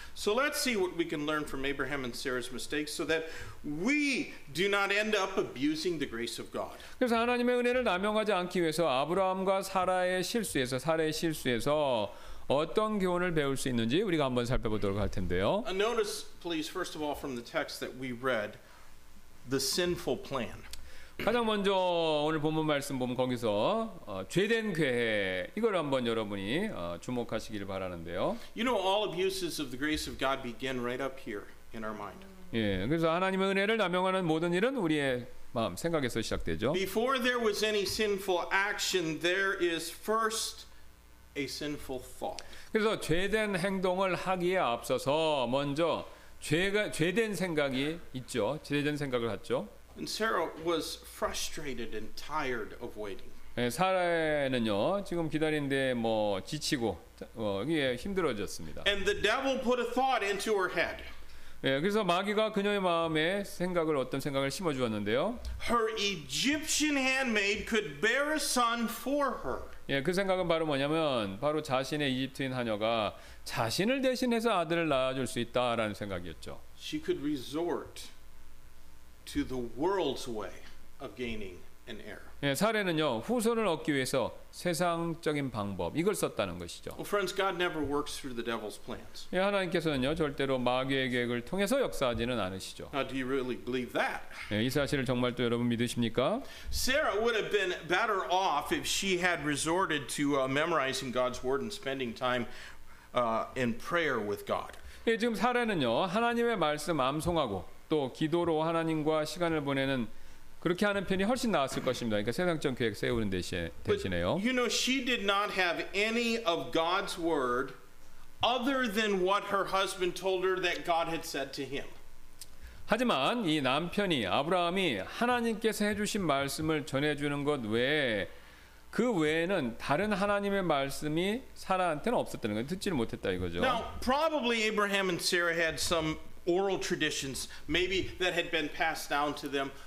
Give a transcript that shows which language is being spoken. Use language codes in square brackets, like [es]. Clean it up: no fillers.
[en] So let's see what we can learn from Abraham and Sarah's mistakes, so that we do not end up abusing the grace of God. [ko] 그래서 하나님의 은혜를 남용하지 않기 위해서 아브라함과 사라의 실수에서 어떤 교훈을 배울 수 있는지 우리가 한번 살펴보도록 할 텐데요. [en] Notice, please, first of all, from the text that we read. The sinful plan. [ko] 가장 먼저 오늘 본문 말씀 보면 거기서 죄된 계획 이걸 한번 여러분이 주목하시기를 바라는데요. [en] You know all abuses of the grace of God begin right up here in our mind. [ko] 예, 그래서 하나님의 은혜를 남용하는 모든 일은 우리의 마음 생각에서 시작되죠. [en] Before there was any sinful action, there is first a sinful thought. [ko] 그래서 죄된 행동을 하기에 앞서서 먼저 죄된 생각이 있죠. 죄된 생각을 갖죠. [en] And Sarah was frustrated and tired of waiting. [ko] 예, 사라는요 지금 기다리는데 뭐 지치고 이게 힘들어졌습니다. [en] And the devil put a thought into her head. [ko] 예, 그래서 마귀가 그녀의 마음에 생각을 어떤 생각을 심어주었는데요. [en] Her Egyptian handmaid could bear a son for her. [ko] 예, 그 생각은 바로 뭐냐면 바로 자신의 이집트인 하녀가 자신을 대신해서 아들을 낳아줄 수 있다라는 생각이었죠. [en] She could resort to the world's way of gaining an heir. [ko] 예, 사례는요 후손을 얻기 위해서 세상적인 방법 이걸 썼다는 것이죠. [en] Well, friends, God never works through the devil's plans. [ko] 예, 하나님께서는요 절대로 마귀의 계획을 통해서 역사하지는 않으시죠. [en] Now, do you really believe that? [ko] 예, 이 사실을 정말 또 여러분 믿으십니까? [en] Sarah would have been better off if she had resorted to memorizing God's word and spending time in prayer with God. [ko] 예, 지금 사례는요 하나님의 말씀 암송하고 또 기도로 하나님과 시간을 보내는 그렇게 하는 편이 훨씬 나았을 것입니다. 그러니까 세상적 계획 세우는 대신에요. [en] You know, she did not have any of God's word other than what her husband told her that God had said to him. [ko] 하지만 이 남편이 아브라함이 하나님께서 해주신 말씀을 전해주는 것 외에 그 외에는 다른 하나님의 말씀이 사라한테는 없었다는 거예요. 듣지를 못했다 이거죠. [en] Now, probably Abraham and Sarah had some oral traditions, maybe that had been passed down to them.